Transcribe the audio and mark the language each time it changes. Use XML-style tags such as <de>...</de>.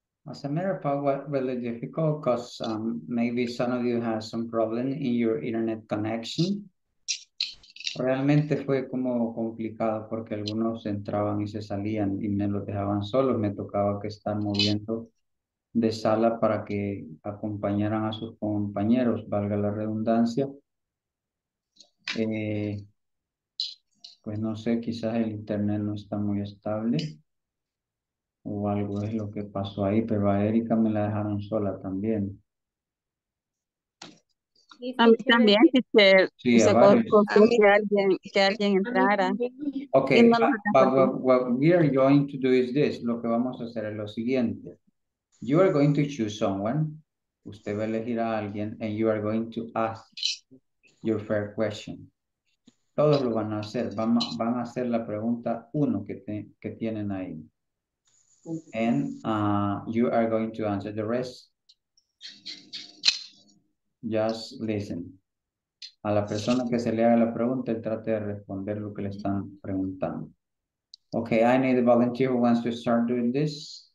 <en>As a matter of fact, what really difficult because maybe some of you have some problem in your internet connection.</en> <es>Realmente fue como complicado porque algunos entraban y se salían y me los dejaban solos. Me tocaba que estar moviendo de sala para que acompañaran a sus compañeros, valga la redundancia. Pues no sé, quizás el internet no está muy estable o algo es lo que pasó ahí, pero a Erika me la dejaron sola también. A mí también, sí, se cortó que alguien entrara.</es> <en>Okay, but what we are going to do is this. Lo que vamos a hacer es lo siguiente. You are going to choose someone. Usted va a elegir a alguien and you are going to ask your first question.</en> <es>Todos lo van a hacer. Van a hacer la pregunta uno que tienen ahí.</es> <en>And you are going to answer the rest. Just listen.</en> <es>A la persona que se le haga la pregunta, trate de responder lo que le están preguntando.</es> <en>Okay, I need a volunteer who wants to start doing this.</en>